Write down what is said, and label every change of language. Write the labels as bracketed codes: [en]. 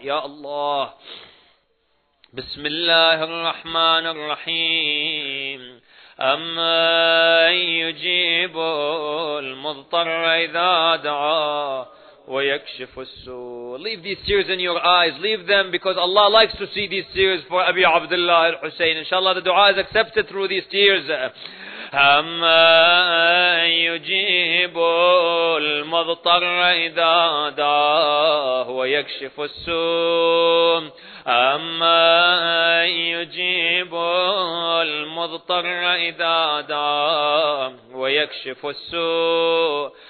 [ar] Ya Allah, بسم الله الرحمن الرحيم. أمن يجيب المضطر إذا دعا ويكشف السوء. [en] Leave these tears in your eyes. Leave them because Allah likes to see these tears for Abi Abdullah al-Hussein. Inshallah the dua is accepted through these tears. [ar] أمن يجيب المضطر إذا دعا ويكشف السوء. أمن يجيب المضطر إذا دعا ويكشف السوء.